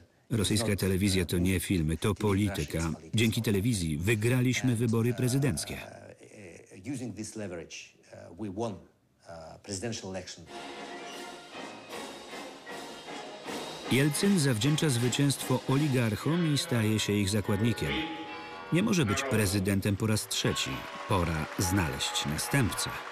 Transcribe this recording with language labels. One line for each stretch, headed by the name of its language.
Polish: Rosyjska telewizja to nie filmy, to polityka. Dzięki telewizji wygraliśmy wybory prezydenckie.
English: Using this leverage, we won presidential election.
Polish: Jelcyn zawdzięcza zwycięstwo oligarchom i staje się ich zakładnikiem. Nie może być prezydentem po raz trzeci. Pora znaleźć następcę.